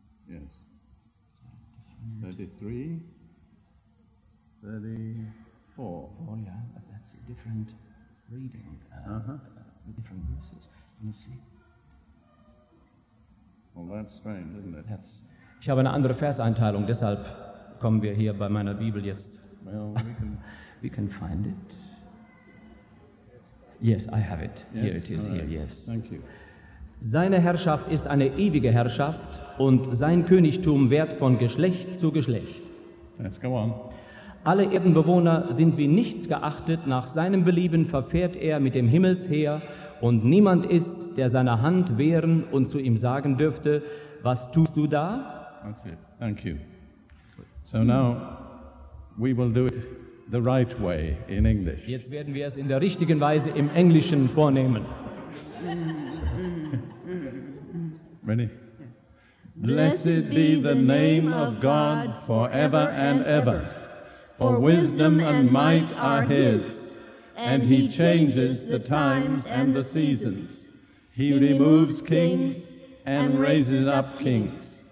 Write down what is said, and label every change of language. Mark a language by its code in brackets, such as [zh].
[en] Yes. 33. 34. Oh, yeah, but that's a different reading. Different verses. Let me see. Well, that's strange, isn't it? [de] That's, ich habe eine andere Verseinteilung, deshalb kommen wir hier bei meiner Bibel jetzt. [en] Well, we can find it. Yes, I have it. Yes? Here it is, right. Here, yes. Thank you. [de] Seine Herrschaft ist eine ewige Herrschaft und sein Königtum währt von Geschlecht zu Geschlecht. [en] Let's go on. [de] Alle Erdenbewohner sind wie nichts geachtet. Nach seinem Belieben verfährt er mit dem Himmelsheer und niemand ist, der seine Hand wehren und zu ihm sagen dürfte, was tust du da? [en] That's it. Thank you. So now we will do it the right way in English. [de] Jetzt werden wir es in der richtigen Weise im Englischen vornehmen. [en] Ready? Blessed be the name of God forever and ever, for wisdom and might are his, and he changes the times and the seasons. He removes kings and raises up kings.